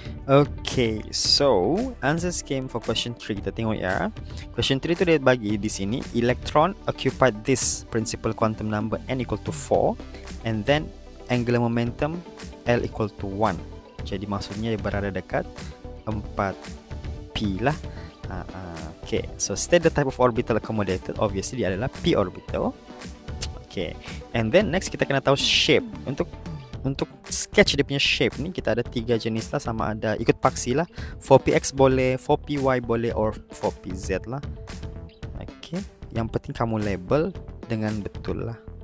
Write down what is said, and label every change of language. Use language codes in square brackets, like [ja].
[en] Okay, so answers came for question 3. [ms] Kita tengok ya. [en] Question 3 [ms] tu dia bagi di sini, [en] electron occupied this principal quantum number n equal to 4 and then angular momentum l equal to 1. [ms] Jadi maksudnya dia berada dekat 4p lah. [en] Okay, so state the type of orbital accommodated. [ms] Obviously dia adalah p orbital. Okay, [en] and then next [ms] kita kena tahu shape. Untuk sketch dia punya shape ni kita ada 3 jenis lah, sama ada ikut paksi lah, 4px boleh, 4py boleh, or 4pz lah. Okay, yang penting kamu label dengan betul lah.